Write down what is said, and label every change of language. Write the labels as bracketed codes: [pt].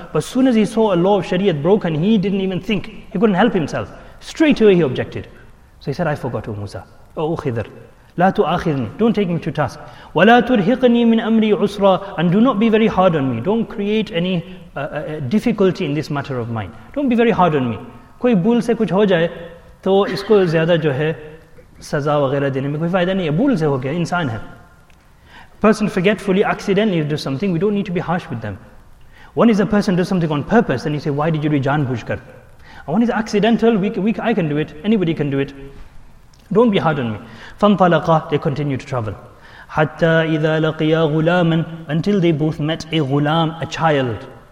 [en] But as soon as he saw a law of Shariat broken, he didn't even think. He couldn't help himself. Straight away he objected. So he said, "I forgot, O Musa. [ar] O Khidr. La tu'akhidni. [en] Don't take me to task. [ar] Wa la turhiqni min amri usra. [en] And do not be very hard on me. Don't create any difficulty in this matter of mine. Don't be very hard on me. [ur] کوئی بھول سے کچھ ہو جائے، تو اسکو زیادہ جو ہے، سزا وغیرہ دینے میں کوئی فائدہ نہیں ہے۔ بھول سے ہو گیا، انسان ہے۔ [en] Person forgetfully, accidentally does something, we don't need to be harsh with them. One is a person does something on purpose, then you say, why did you do [ur] janbujh kar? [en] And one is accidental, I can do it, anybody can do it. Don't be hard on me. [ar] فَانْطَلَقَ [en] They continue to travel. [ar] حَتَّى إِذَا لَقِيَا غُلَامًا [en] Until they both met a ghulam, a child.